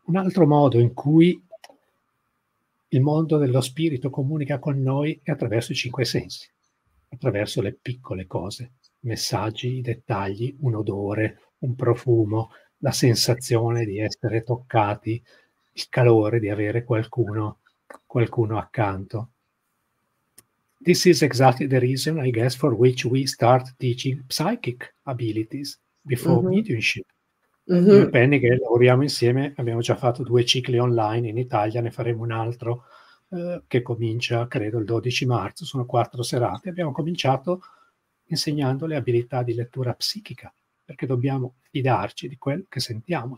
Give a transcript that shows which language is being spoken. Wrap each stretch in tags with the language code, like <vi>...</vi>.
<it>Un altro modo in cui il mondo dello spirito comunica con noi è attraverso i cinque sensi, attraverso le piccole cose, messaggi, i dettagli, un odore, un profumo, la sensazione di essere toccati, il calore di avere qualcuno accanto.</it> <en>This is exactly the reason, I guess, for which we start teaching psychic abilities before mediumship.</en> <it>Io e Penny, che lavoriamo insieme, abbiamo già fatto due cicli online in Italia, ne faremo un altro che comincia, credo, il 12 marzo, sono 4 serate. Abbiamo cominciato insegnando le abilità di lettura psichica, perché dobbiamo fidarci di quello che sentiamo.</it>